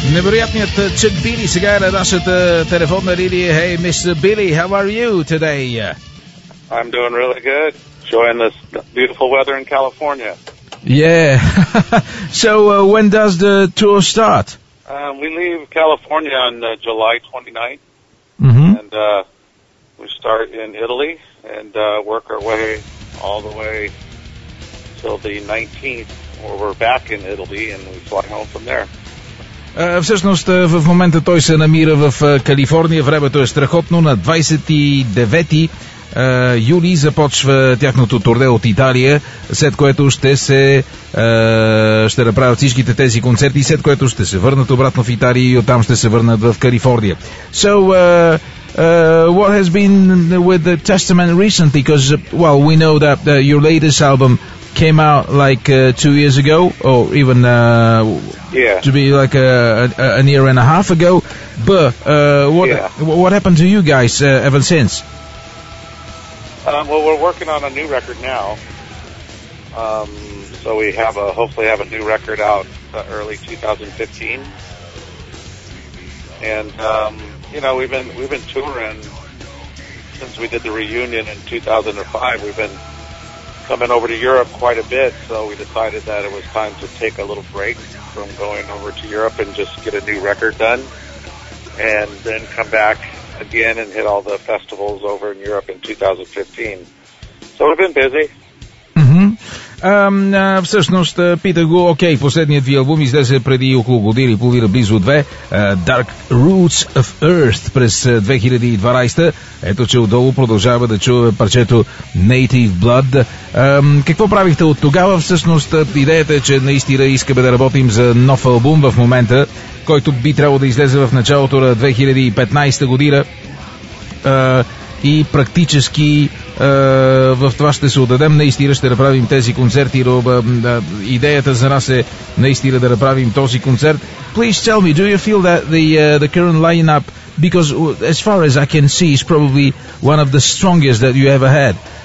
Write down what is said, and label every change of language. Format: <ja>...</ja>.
<bg>Невероятният Чък Били сега е на нашата телефонна линия.</bg> <en>Hey, Mr. Billy, how are you today? I'm doing really good. Enjoying this beautiful weather in California. Yeah. So, when does the tour start? We leave California on July 29th. Mm-hmm. And we start in Italy and work our way all the way till the 19th, where we're back in Italy and we fly home from there.</en> <bg>Всъщност в момента той се намира в Калифорния. Времето е страхотно. На 29 юли започва тяхното турне от Италия, след което ще направят всичките тези концерти, след което ще се върнат обратно в Италия и оттам ще се върнат в Калифорния.</bg> <en>So, what has been with the Testament recently? Because, well, we know that your latest album came out like 2 years ago, or even to be like a year and a half ago. But what happened to you guys ever since? Well, we're working on a new record now, so we have hopefully have a new record out early 2015. And you know, we've been touring since we did the reunion in 2005. We've been coming over to Europe quite a bit, so we decided that it was time to take a little break from going over to Europe and just get a new record done, and then come back again and hit all the festivals over in Europe in 2015. So we've been busy. Mm-hmm.</en> <bg>Всъщност, питах го, окей, последният ви албум излезе преди около година и половина, близо две, Dark Roots of Earth през 2012. Ето че отдолу продължава да чуваме парчето Native Blood. Какво правихте от тогава? Всъщност, идеята е, че наистина искаме да работим за нов албум в момента, който би трябвало да излезе в началото на 2015 година. И практически в това ще се отдадем. Наистина ще направим тези концерти. Идеята за нас е наистина да направим този концерт.</bg> <en>Please tell me, do you feel that the current lineup, because as far as I can see, is probably one of the strongest that you ever had.</en>